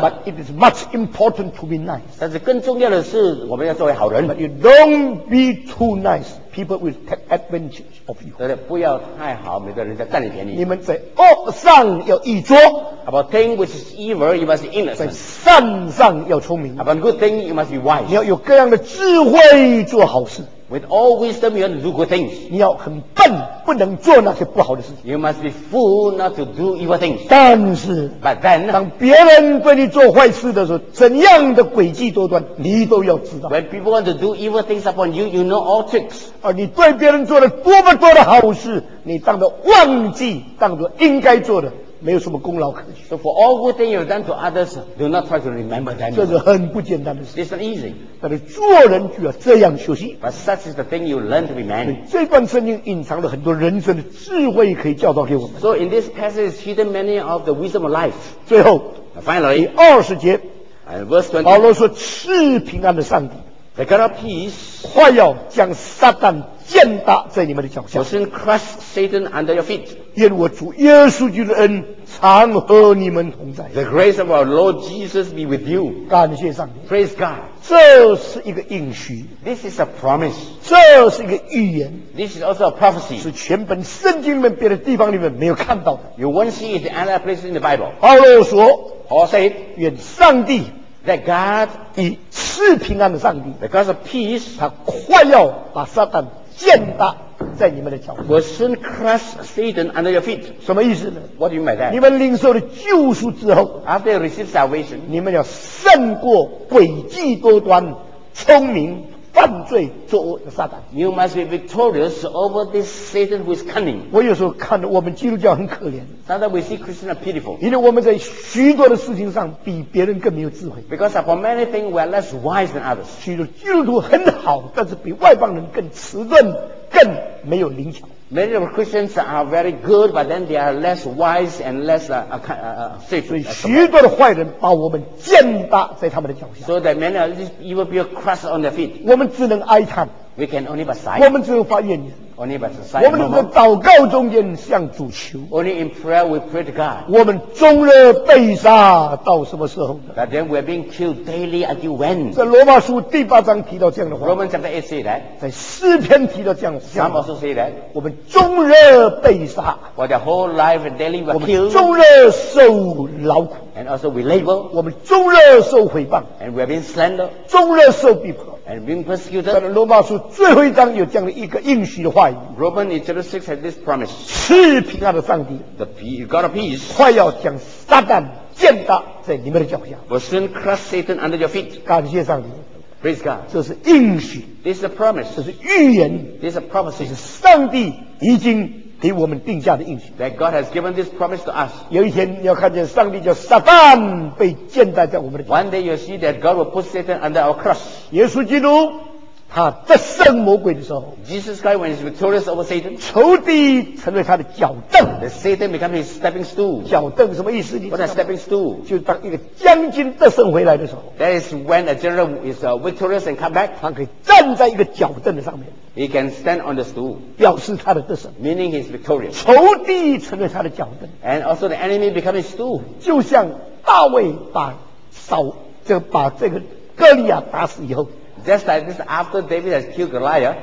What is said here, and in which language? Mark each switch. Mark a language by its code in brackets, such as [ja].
[en] But it is much important to be nice. [zh] 但是更重要的是，我们要作为好人。 [en] But you don't be too nice. people will take advantage of you. [zh] 对，不要太好，没得人家占你便宜。你们在恶上要愚拙。 [en] About thing which is evil, you must be innocent. [zh] 在善上要聪明。 [en] About good thing, you must be wise. [zh] 你要有各样的智慧做好事。 [en] With all wisdom, you have to do good things. [zh] 你要很笨，不能做那些不好的事情。 [en] You must be fool not to do evil things. [zh] 但是 [en] But then, [zh] 当别人对你做坏事的时候，怎样的诡计多端，你都要知道。 [en] When people want to do evil things upon you, you know all tricks. [zh] 而你对别人做了多么多的好事，你当作忘记，当作应该做的，没有什么功劳可言。 [en] So for all good things you've done to others, do not try to remember them. [zh] 这是很不简单的事。 [en] It's not easy. [zh] 但是做人就要这样学习。 [en] But such is the thing you learn to be man. [zh] 这段圣经隐藏了很多人生的智慧可以教导给我们。 [en] So in this passage is hidden many of the wisdom of life. [zh] 最后 [en] Finally, [zh] 第二十节 [en] and verse 20, [zh] 保罗说赐平安的上帝 [en] the God of peace, [zh] 快要将撒旦践踏在你们的脚下。 [en] You shouldn't crush Satan under your feet. [zh] 愿我主耶稣基督的恩常和你们同在。 [en] The grace of our Lord Jesus be with you. [zh] 感谢上帝。 [en] Praise God. [zh] 这是一个应许。 [en] This is a promise. [zh] 这是一个预言。 [en] This is also a prophecy. [zh] 是全本圣经里面别的地方里面没有看到的。 [en] You won't see it in other places in the Bible. [zh] 保罗说 [en] Paul said, [zh] 愿上帝 [en] That God [zh] 以赐平安的上帝 [en] The God of peace, [zh] 他快要把撒旦践踏在你们的脚下。 [en] Will soon crush Satan under your feet. [zh] 什么意思呢 [en] ？What do you mean by that? [zh] 你们领受了救赎之后 [en] ，After you receive salvation， [zh] 你们要胜过诡计多端、聪明犯罪作恶的撒旦。 [en] You must be victorious over this Satan who is cunning. [zh] 我有时候看到我们基督教很可怜。 [en] Sometimes we see Christians are pitiful. [zh] 因为我们在许多的事情上比别人更没有智慧。 [en] Because upon many things we are less wise than others. [zh] 许多基督徒很好，但是比外邦人更迟钝，更没有灵巧。 [en] Many of Christians are very good, but then they are less wise and less safe. [zh] 所以许多的坏人把我们践踏在他们的脚下。 [en] So that many of these evil people crush on their feet. [zh] 我们只能哀叹。 [en] We can only but sigh. [zh] 我们只能发怨言。 [en] Only but sigh. [zh] 我们在祷告中间向主求。 [en] Only in prayer we pray to God. [zh] 我们终日被杀到什么时候呢 [en] ？But then we are being killed daily until when? [zh] 在罗马书第八章提到这样的话。 [en] Romans chapter 8 say that. [zh] 在诗篇提到这样的话。 [en] Psalm also say that. [zh] 我们终日被杀。 [en] For their whole life and daily we are killed. [zh] 我们终日受劳苦。 [en] And also we labor. [zh] 我们终日受毁谤。 [en] And we are being slandered. [zh] 终日受逼迫。 [en] And being persecuted. [zh] 在罗马书最后一章有这样的一个应许的话语。 [en] Romans in chapter 6 had this promise. [zh] 赐平安的上帝。 [en] The God of peace. [zh] 快要将撒旦践踏在你们的脚下。 [en] Will soon crush Satan under your feet. [zh] 感谢上帝。 [en] Praise God. [zh] 这是应许。 [en] This is a promise. [zh] 这是预言。 [en] This is a prophecy. [zh] 这是上帝已经给我们定下的应许。 [en] That God has given this promise to us. [zh] 有一天你要看见上帝叫撒旦被践踏在我们的脚下。 [en] One day you see that God will put Satan under our cross. [zh] 耶稣基督他得胜魔鬼的时候 [en] ，Jesus Christ when he's victorious over Satan， [zh] 仇敌成为他的脚凳 [en] ，the Satan became his stepping stool。 [zh] 脚凳什么意思？你 [en] What a stepping stool？ [zh] 就当一个将军得胜回来的时候 [en] ，that is when a general is victorious and come back， [zh] 他可以站在一个脚凳的上面 [en] ，he can stand on the stool， [zh] 表示他的得胜 [en] ，meaning he's victorious。 [zh] 仇敌成为他的脚凳 [en] ，and also the enemy became his stool。 [zh] 就像大卫把扫就把这个哥利亚打死以后。 [en] Just like this, after David has killed Goliath,